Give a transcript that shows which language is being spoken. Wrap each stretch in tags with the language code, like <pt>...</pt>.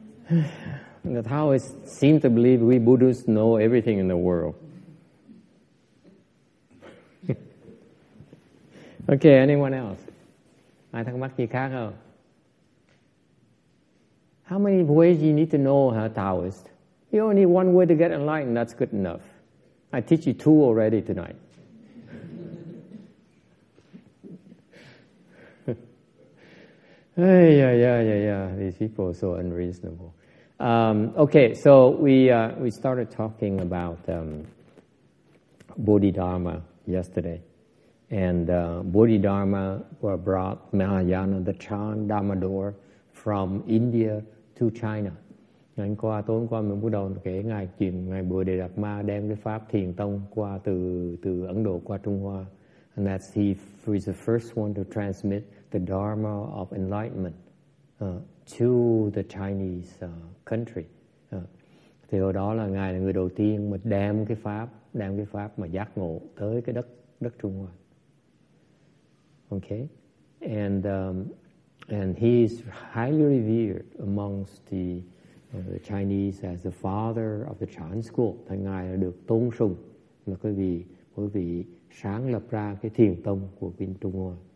<en>Yeah, I think so. The Taoists seem to believe we Buddhists know everything in the world. Okay, anyone else?</en> <vi>Ai thắc mắc gì khác không?</vi> <en>How many ways you need to know, huh, Taoist? You only need one way to get enlightened, that's good enough. I teach you 2 already tonight. Yeah. These people are so unreasonable. Okay, so we started talking about Bodhidharma yesterday. And Bodhidharma were brought Mahayana, the Chan Damodar, from India to China.</en> <vi>Ngày qua tối qua mình bắt đầu kể ngài chuyện ngài Bồ Đề Đạt Ma đem cái pháp Thiền Tông qua từ Ấn Độ qua Trung Hoa.</vi> <en>And that he was the first one to transmit the Dharma of Enlightenment to the Chinese country.</en> <vi>Thì hồi đó là ngài là người đầu tiên mà đem cái pháp mà giác ngộ tới cái đất Trung Hoa.</vi> <en>Okay, and he is highly revered amongst the Chinese as the father of the Chan school.</en> <vi>Thầy ngài được tôn sùng là cái vị sáng lập ra cái thiền tông của bên Trung Hoa.</vi>